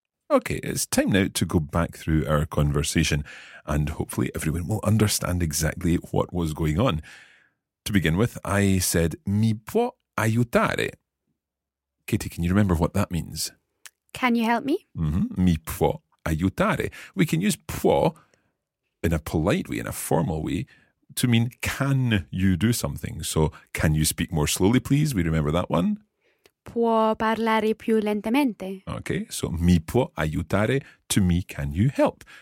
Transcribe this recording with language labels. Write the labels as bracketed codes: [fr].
[en] Okay, it's time now to go back through our conversation and hopefully everyone will understand exactly what was going on. To begin with, I said, [it] mi può aiutare? [en] Katie, can you remember what that means? Can you help me? [it] Mm-hmm. Mi può aiutare. [en] We can use può in a polite way, in a formal way, to mean can you do something. So, can you speak more slowly, please? We remember that one. [it] Può parlare più lentamente. [en] Okay, so [it] mi può aiutare [en] to me, can you help?